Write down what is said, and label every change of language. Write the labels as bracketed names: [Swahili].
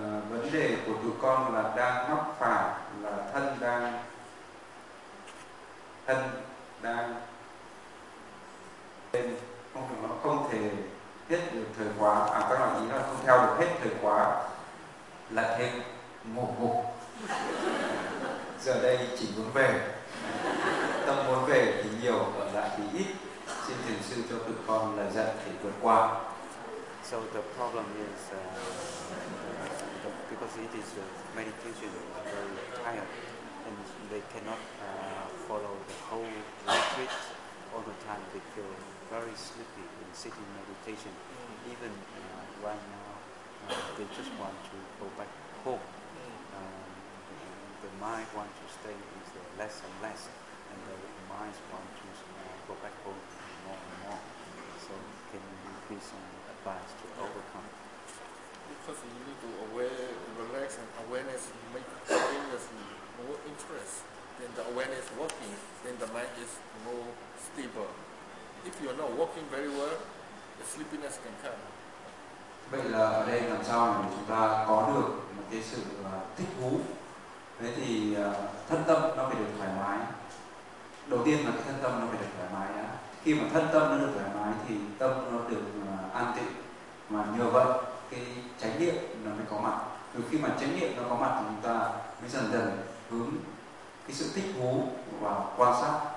[Vietnamese] Vấn đề của tụi con là đang mắc phải là thân đang nên không thể hết được thời khóa, à các bạn ý là không theo được hết thời khóa, là thêm một mục. Giờ đây chỉ muốn về, tâm muốn về thì nhiều, ở lại thì ít. Xin thiền sư cho tụi con là dạy để vượt qua. [English] So the problem is because it is meditation very tired and they cannot follow the whole retreat all the time. They feel very sleepy in sitting meditation. Even right now, they just want to go back home. The mind wants to stay with them less and less, and the minds want to go back home more and more. So can you give some advice to overcome? Because you need to aware, relax, and awareness make awareness more interest. Then the awareness working, then the mind is more stable. If you're not working very well, the sleepiness can come. [Vietnamese] Vậy là ở đây làm sao mà chúng ta có được một cái sự thích thú? Thế thì thân tâm nó phải được thoải mái. Đầu tiên là cái thân tâm nó phải được thoải mái đã. Khi mà thân tâm nó được thoải mái thì tâm nó được an tịnh. Mà nhờ vậy cái chánh niệm nó mới có mặt. Từ khi mà chánh niệm nó có mặt thì chúng ta mới dần dần hướng cái sự thích thú và quan sát.